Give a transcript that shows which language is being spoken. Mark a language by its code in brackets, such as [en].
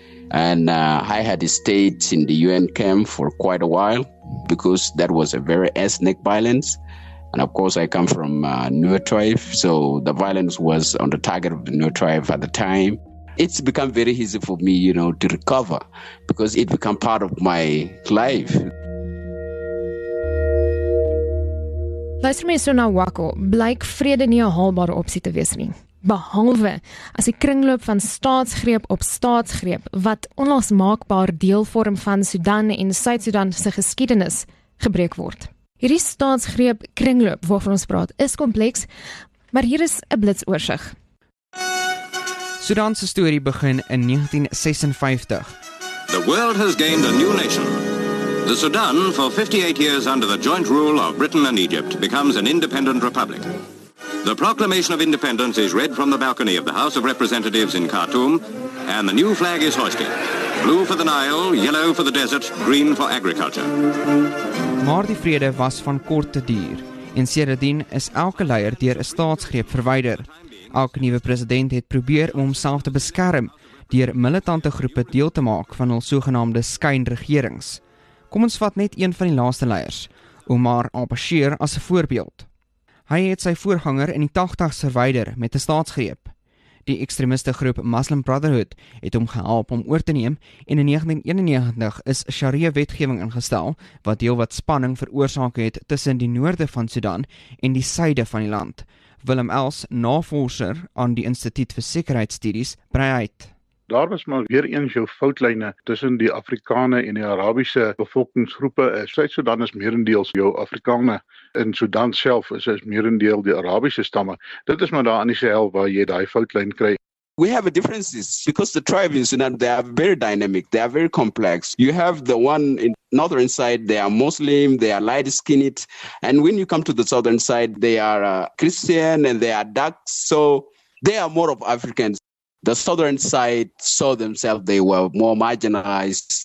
[en] And I had stayed in the UN camp for quite a while because that was a very ethnic violence. And of course, I come from Nuer tribe, so the violence was on the target of the Nuer tribe at the time. It's become very easy for me, you know, to recover because it became part of my life. [af] Luister mense, so na Wako, blyk vrede nie 'n haalbare opsie te wees nie. Behalwe as die kringloop van staatsgreep op staatsgreep wat onlosmaakbaar deel vorm van Sudan en Suid-Sudan se geskiedenis gebreek word. Hierdie staatsgreep kringloop waarvan ons praat is kompleks, maar hier is 'n blitsoorsig. Sudan se storie begin in 1956. [en] The world has gained a new nation. The Sudan, for 58 years under the joint rule of Britain and Egypt, becomes an independent republic. The proclamation of independence is read from the balcony of the House of Representatives in Khartoum, and the new flag is hoisted. Blue for the Nile, yellow for the desert, green for agriculture. [af] Maar die vrede was van korte duur, en sedertdien is elke leier deur 'n staatsgreep verwyder. Elke nuwe president het probeer om homself te beskerm deur militante groepe deel te maak van hul sogenaamde skynregerings. Kom ons vat net een van die laaste leiers, Omar al-Bashir, as 'n voorbeeld. Hy het sy voorganger in die 80's verwyder met 'n staatsgreep. Die ekstremiste groep Muslim Brotherhood het hom gehelp om oor te neem en in 1991 is Sharia-wetgewing ingestel wat deel wat spanning veroorsaak het tussen die noorde van Sudan en die suide van die land. Willem Els, navorser aan die Instituut vir Sekerheidsstudies, brei uit. Daar was maar weer eens jou foutlyne tussen die Afrikane en die Arabiese bevolkingsgroepe. Suid-Sudan is merendeels jou Afrikane. In Sudan self is merendeel die Arabiese stamme. Dit is maar daar aan die Sahel waar jy daai foutlyn kry. [en] We have a differences because the tribes in Sudan, they are very dynamic, they are very complex. You have the one in northern side, they are Muslim, they are light-skinned. And when you come to the southern side, they are Christian and they are dark. So they are more of Africans. The southern side saw themselves, they were more marginalized.